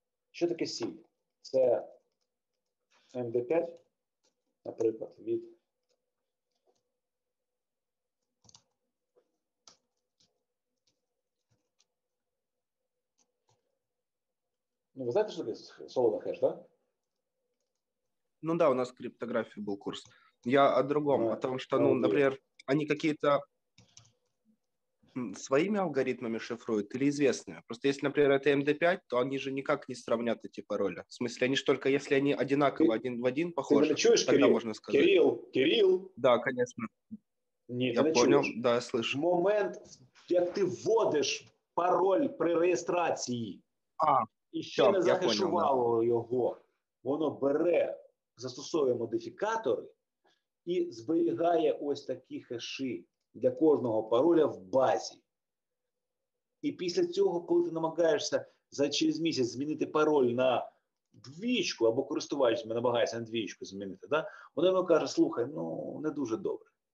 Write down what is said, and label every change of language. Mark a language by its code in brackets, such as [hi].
[uk] Що таке сіль? Це MD5, наприклад, від ну, ви знаєте, що таке солона хеш, так? Да? [ru] Ну да, у нас криптографии был курс. Я о другом, о том, что, ну, например, они какие-то своими алгоритмами шифруют или известными. Просто если, например, это MD5, то они же никак не сравнят эти пароли. В смысле, они же только, если они одинаково, один в один похожи, ты чуешь, тогда Кирилл? Можно сказать. Кирилл, Кирилл. Да, конечно. Нет, я понял, да, я слышу. Момент, где ты вводишь пароль при регистрации, а, еще все, не захешувало да. [uk] Его, оно бере застосовує модифікатори і зберігає ось такі хеші для кожного пароля в базі. І після цього, коли ти намагаєшся за через місяць змінити пароль на двічку, або користувач намагається на двічку змінити, да, вона йому каже, слухай, ну, не дуже добре.